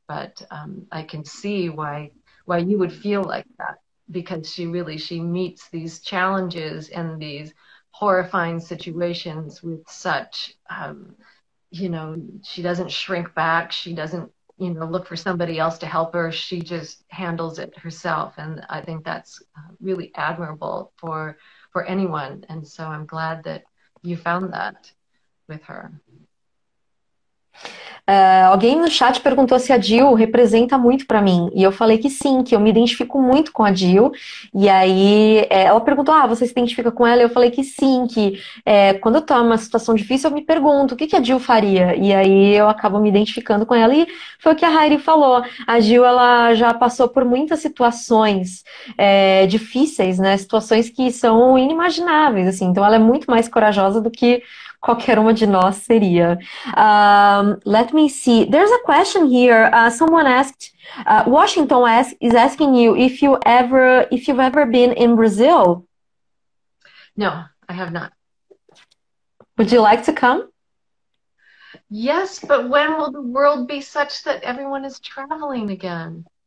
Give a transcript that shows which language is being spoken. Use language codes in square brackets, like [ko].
[en] But I can see why you would feel like that, because she meets these challenges and these horrifying situations with such, you know, she doesn't shrink back. She doesn't, you know, look for somebody else to help her. She just handles it herself. And I think that's really admirable for anyone, and so I'm glad that you found that with her. [pt] Alguém no chat perguntou se a Jill representa muito para mim, e eu falei que sim, que eu me identifico muito com a Jill. E aí ela perguntou, ah, você se identifica com ela? Eu falei que sim, que quando eu tô numa situação difícil, eu me pergunto o que, que a Jill faria, e aí eu acabo me identificando com ela. E foi o que a Heidi falou, a Jill, ela já passou por muitas situações difíceis, né, situações que são inimagináveis, assim. Então ela é muito mais corajosa do que qualquer uma de nós seria. [en] Let me see. There's a question here. Someone asked, Washington is asking you if you've ever been in Brazil. No, I have not. Would you like to come? Yes, but when will the world be such that everyone is traveling again?